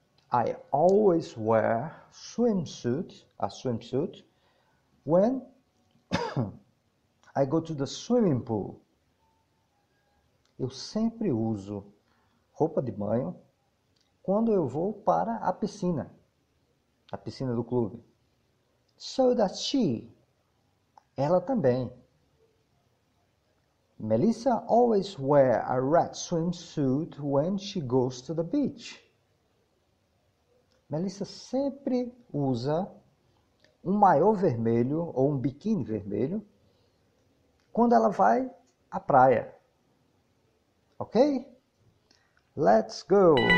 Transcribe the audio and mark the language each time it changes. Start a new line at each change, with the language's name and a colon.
English: I always wear a swimsuit when I go to the swimming pool.
Portuguese: Eu sempre uso roupa de banho quando eu vou para a piscina do clube.
English: So does she.
Portuguese: Ela também.
English: Melissa always wears a red swimsuit when she goes to the beach.
Portuguese: Melissa sempre usa um maiô vermelho ou um biquíni vermelho quando ela vai à praia.
English: Ok? Let's go!